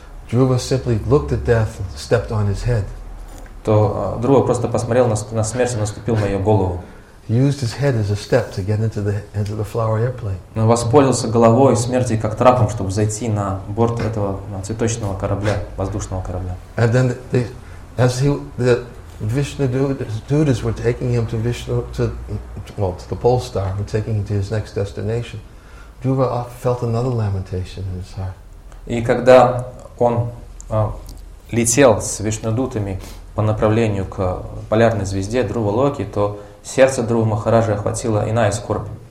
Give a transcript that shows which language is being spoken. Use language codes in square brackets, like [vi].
[en] Dhruva simply looked at death and stepped on his head. [ru] То Дхрува просто посмотрел на смерть и наступил на ее голову. [en] He used his head as a step to get into the flower airplane. [ru] Но воспользовался головой смерти как трапом, чтобы зайти на борт этого цветочного корабля, воздушного корабля. [en] And then the Vishnu Dudas were taking him to Vishnu to the pole star and taking him to his next destination, Dhruva felt another lamentation in his heart. [ru] И когда он летел с Вишнудутами по направлению к полярной звезде Дхрува Локи, то сердце Дхрувы Махараджа охватило иная скорбь.